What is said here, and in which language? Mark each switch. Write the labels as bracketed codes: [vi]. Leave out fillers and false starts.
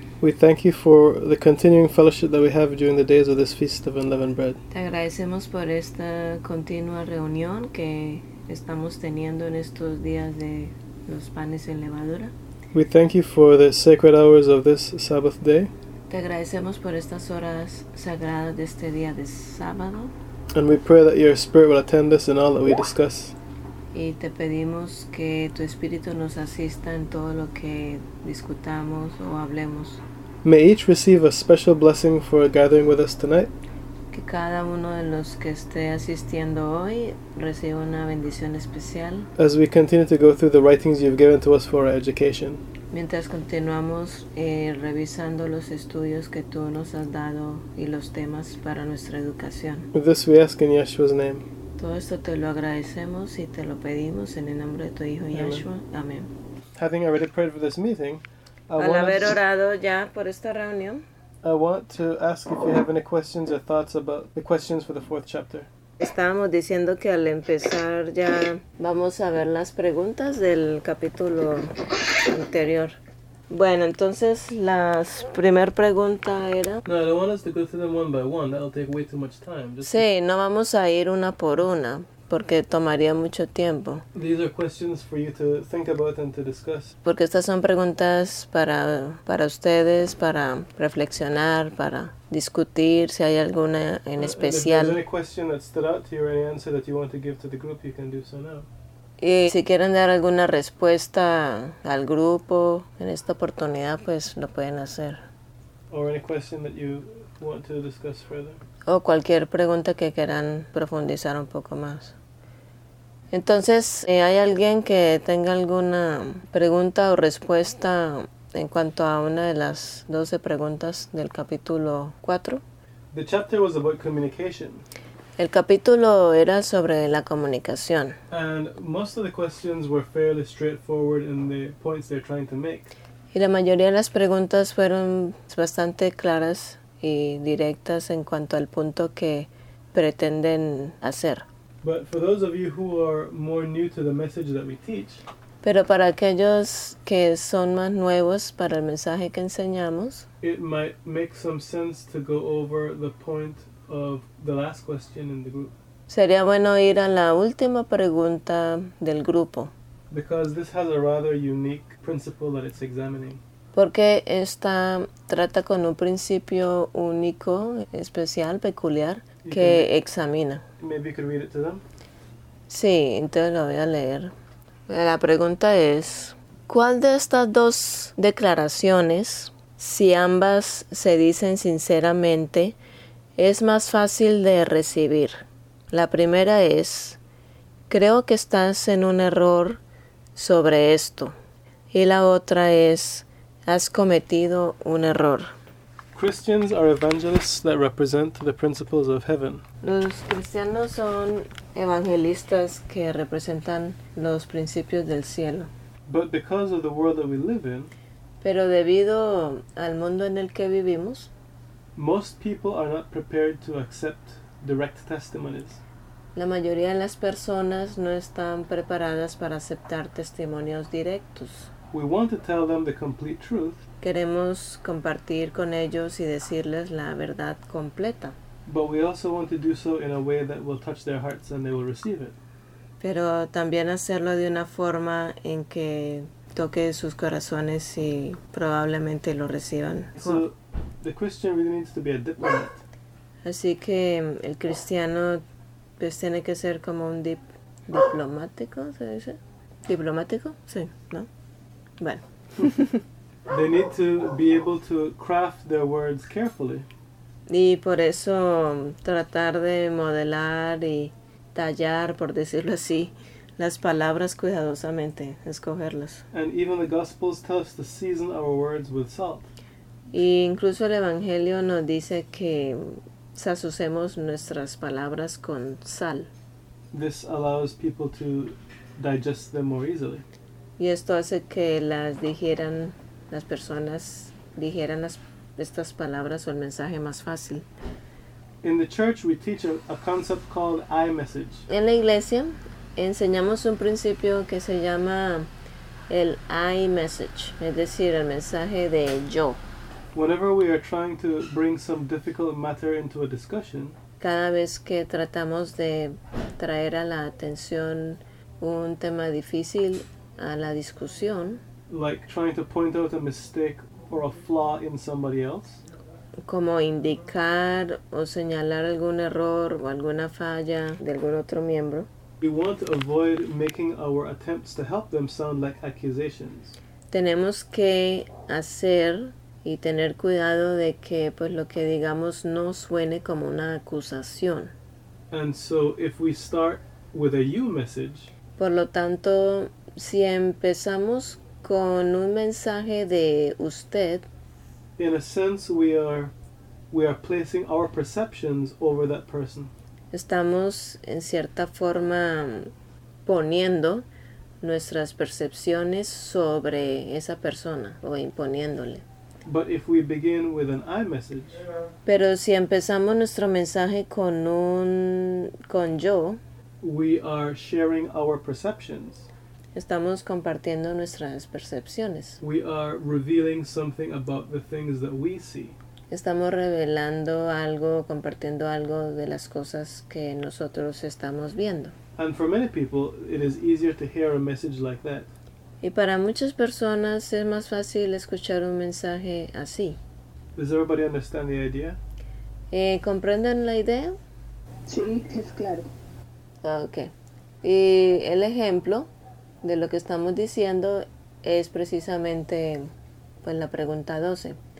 [en] we thank you for the continuing fellowship that we have during the days of this Feast of Unleavened Bread. [es] Te agradecemos por esta continua reunión que estamos teniendo en estos días de los panes en levadura. [en] We thank you for the sacred hours of this Sabbath day. [es] Te agradecemos por estas horas sagradas de este día de sábado. [en] And we pray that your Spirit will attend us in all that we discuss. [es] Y te pedimos que tu Espíritu nos asista en todo lo que discutamos o hablemos. [en] May each receive a special blessing for gathering with us tonight. [es] Que cada uno de los que esté asistiendo hoy reciba una bendición especial. [en] As we continue to go through the writings you've given to us for our education. [es] Mientras continuamos revisando los estudios que tú nos has dado y los temas para nuestra educación. [en] With this we ask in Yeshua's name. [es] Todo esto te lo agradecemos y te lo pedimos en el nombre de tu Hijo Yeshua. Amén. [en] Having already prayed for this meeting, [es] al haber orado ya por esta reunión, [en] I want to ask if you have any questions or thoughts about the questions for the fourth chapter. [es] Estábamos diciendo que al empezar ya vamos a ver las preguntas del capítulo anterior. Bueno, entonces la primera pregunta era. [en] No, I don't want us to go through them one by one. That'll take way too much time. [es] Just sí, no vamos a ir una por una, porque tomaría mucho tiempo. [en] These are questions for you to think about and to discuss. [es] Porque estas son preguntas para ustedes, para reflexionar, para discutir. Si hay alguna en especial. [en] If there's any question that stood out to you or any answer that you want to give to the group, you can do so now. [es] Y si quieren dar alguna respuesta al grupo en esta oportunidad, pues lo pueden hacer. [en] Or any question that you want to discuss further. [es] O cualquier pregunta que quieran profundizar un poco más. Entonces, ¿hay alguien que tenga alguna pregunta o respuesta en cuanto a una de las 12 preguntas del capítulo 4? [en] The chapter was about communication. [es] El capítulo era sobre la comunicación. [en] And most of the questions were fairly straightforward in the points they're trying to make. [es] Y la mayoría de las preguntas fueron bastante claras y directas en cuanto al punto que pretenden hacer. [en] But for those of you who are more new to the message that we teach. [es] Pero para aquellos que son más nuevos para el mensaje que enseñamos. [en] It might make some sense to go over the point of the last question in the group. [es] Sería bueno ir a la última pregunta del grupo. [en] Because this has a rather unique principle that it's examining. [es] Porque esta trata con un principio único, especial, peculiar, que examina. [en] Maybe you could read it to them. [es] Sí, entonces lo voy a leer. La pregunta es, ¿cuál de estas dos declaraciones, si ambas se dicen sinceramente, es más fácil de recibir? La primera es, creo que estás en un error sobre esto. Y la otra es, has cometido un error. [en] Christians are evangelists that represent the principles of heaven. [es] Los cristianos son evangelistas que representan los principios del cielo. [en] But because of the world that we live in, [es] pero debido al mundo en el que vivimos, [en] most people are not prepared to accept direct testimonies. [es] La mayoría de las personas no están preparadas para aceptar testimonios directos. [en] We want to tell them the complete truth. [es] Queremos compartir con ellos y decirles la verdad completa. [en] But we also want to do so in a way that will touch their hearts and they will receive it. [es] Pero también hacerlo de una forma en que toque sus corazones y probablemente lo reciban. [en] So the Christian really needs to be a diplomat. [es] Así que el cristiano pues tiene que ser como un diplomático, ¿se dice? ¿Diplomático? Sí, ¿no? Bueno. [en] They need to be able to craft their words carefully. [es] Y por eso tratar de modelar y tallar, por decirlo así, las palabras cuidadosamente, escogerlas. [en] And even the Gospels tell us to season our words with salt. [es] Y incluso el Evangelio nos dice que sazonemos nuestras palabras con sal. [en] This allows people to digest them more easily. [es] Y esto hace que las digieran, las personas digieran las estas palabras o el mensaje más fácil. [en] In the church we teach a concept called iMessage. [es] En la iglesia enseñamos un principio que se llama el iMessage, es decir, el mensaje de yo. [en] Whenever we are trying to bring some difficult matter into a discussion, [es] cada vez que tratamos de traer a la atención un tema difícil a la discusión, [en] like trying to point out a mistake or a flaw in somebody else, [es] como indicar o señalar algún error o alguna falla de algún otro miembro, [en] we want to avoid making our attempts to help them sound like accusations. [es] Tenemos que hacer y tener cuidado de que pues lo que digamos no suene como una acusación. [en] And so if we start with a you message, [es] por lo tanto, si empezamos con un mensaje de usted, [en] in a sense we are placing our perceptions over that person. [es] Estamos en cierta forma poniendo nuestras percepciones sobre esa persona o imponiéndole. [en] But if we begin with an I message, [es] pero si empezamos nuestro mensaje con yo, [en] we are sharing our perceptions. [es] Estamos compartiendo nuestras percepciones. [en] We are revealing something about the things that we see. [es] Estamos revelando algo, compartiendo algo de las cosas que nosotros estamos viendo. [en] And for many people, it is easier to hear a message like that. [es] Y para muchas personas es más fácil escuchar un mensaje así. [en] Does everybody understand the idea? [es] ¿Comprenden la idea? Sí, es claro. Okay. Y el ejemplo de lo que estamos diciendo es precisamente pues la pregunta 12.